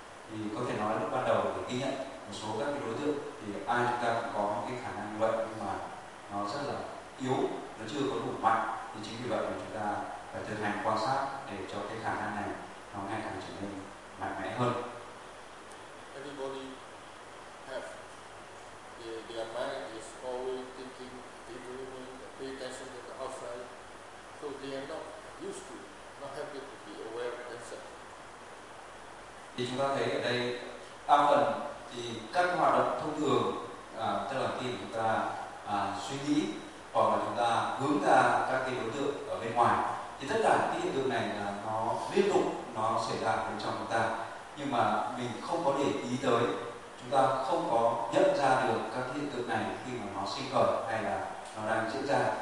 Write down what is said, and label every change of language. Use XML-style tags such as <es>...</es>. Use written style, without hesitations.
<vi>Thì có thể nói lúc ban đầu để ghi nhận một số các cái đối tượng thì ai chúng ta cũng có một cái khả năng như vậy, nhưng mà nó rất là yếu, nó chưa có đủ mạnh. Thì chính vì vậy mà chúng ta phải thực hành quan sát để cho cái khả năng này nó ngày càng trở nên mạnh mẽ hơn.</vi> <en>Everybody have their mind is always thinking, dreaming, pay attention to the outside, so they are not used to, not happy to be aware of themselves.</en> <vi>Thì chúng ta thấy ở đây đa phần thì các hoạt động thông thường, tức là khi chúng ta suy nghĩ hoặc là chúng ta hướng ra các cái đối tượng ở bên ngoài, thì tất cả những hiện tượng này là nó liên tục nó xảy ra bên trong chúng ta, nhưng mà mình không có để ý tới, chúng ta không có nhận ra được các hiện tượng này khi mà nó sinh khởi hay là nó đang diễn ra.</vi>